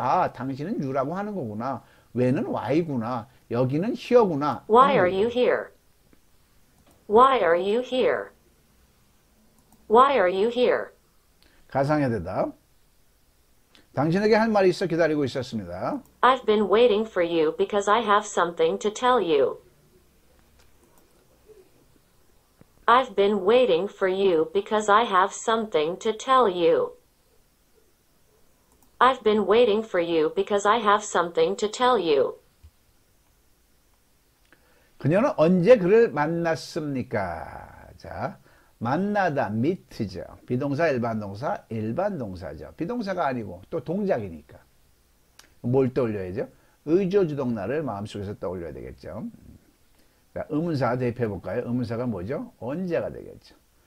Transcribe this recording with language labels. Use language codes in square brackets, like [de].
[ko] 아, 당신은 유라고 하는 거구나. 왜는 why구나. 여기는 here구나. [en] Why [ko] 하는 [en] are you [ko] 거고. [en] here? Why are you here? Why are you here? [ko] 가상의 대답. 당신에게 할 말이 있어 기다리고 있었습니다. [en] I've been waiting for you because I have something to tell you. I've been waiting for you because I have something to tell you. I've been waiting for you because I have something to tell you. [ko] 그녀는 언제 그를 만났습니까? 자, 만나다, meet죠. 비동사, 일반동사, 일반동사죠. 비동사가 아니고 또 동작이니까. 뭘 떠올려야죠? 의조주동날을 마음속에서 떠올려야 되겠죠. 자, 의문사 대입해 볼까요? 의문사가 뭐죠? 언제가 되겠죠.